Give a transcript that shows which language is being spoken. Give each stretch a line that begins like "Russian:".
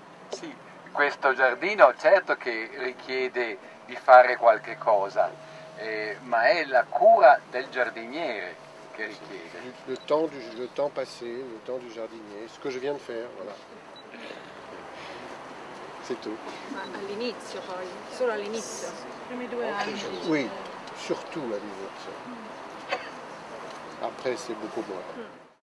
Italian: Sì, questo giardino certo che richiede di fare qualche cosa, ma è la cura del giardiniere. che richiede.
French: Le temps passé, le temps du jardinier, ce que je viens de faire, voilà. C'est tout.
Italian: Ma all'inizio poi, solo all'inizio, primi due anni.
French: Oui, surtout
Italian: all'inizio.
French: Après, c'est beaucoup moins.